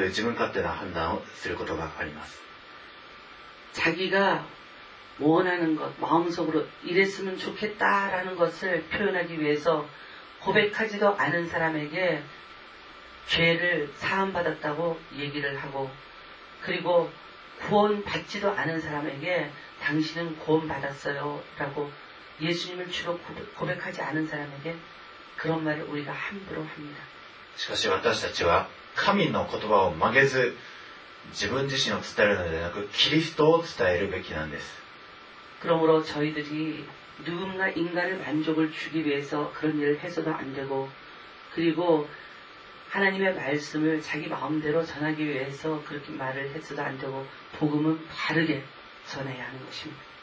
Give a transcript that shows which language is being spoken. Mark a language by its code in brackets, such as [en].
[ja] 結構そのように無意識になんか自分の核ありたいというあるいは自分がより善なるものになりたいがために神の言葉を曲げるというそういう自分勝手な判断をすることがあります [ko] 자기가 원하는 것, 마음속으로 이랬으면 좋겠다라는 것을 표현하기 위해서 고백하지도 않은 사람에게 죄를 사함받았다고 얘기를 하고 그리고 구원받지도 않은 사람에게 당신은 구원받았어요 라고 예수님을 주로 고백하지 않은 사람에게 그런 말을 우리가 함부로 합니다. [ja] 私たちは神の言葉を曲げず 自分自身を伝えるのではなくキリストを伝えるべきなんです [ko] 그러므로 저희들이 누군가 인간의 만족을 주기 위해서 그런 일을 해서도 안 되고 그리고 하나님의 말씀을 자기 마음대로 전하기 위해서 그렇게 말을 해서도 안 되고 복음은 바르게 전해야 하는 것입니다.